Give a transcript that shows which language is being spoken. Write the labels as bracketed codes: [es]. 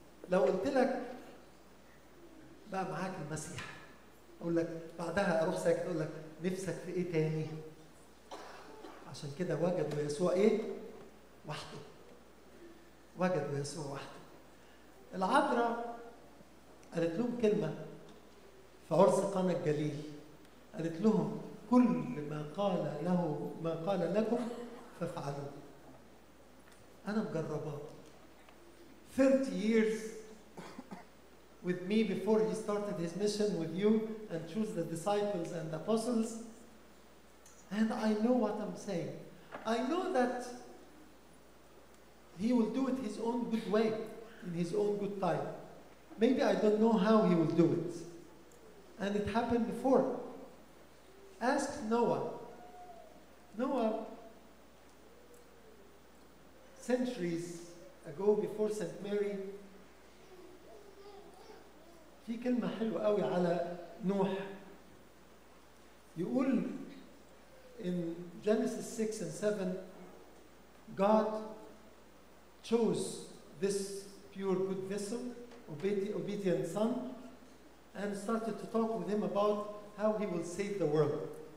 [ar] لو قلت لك بقى معاك المسيح أقول لك بعدها أروح ساكت أقول لك نفسك في إيه تاني عشان كده وجدوا يسوع إيه وحده وجدوا يسوع وحده. العذراء قالت لهم كلمة في عرس قانا الجليل قالت لهم كل ما قال له ما قال لكم فافعلوا. أنا مجربة [en] 30 years with me before he started his mission with you and choose the disciples and the apostles and I know what I'm saying. I know that he will do it his own good way in his own good time. Maybe I don't know how he will do it. And it happened before. Ask Noah. Noah, centuries ago before Saint Mary, [ar] في كلمة حلوة قوي على نوح. يقول [en] in Genesis 6 and 7, God chose this pure good vessel, obedient son, and started to talk with him about how he will save the world.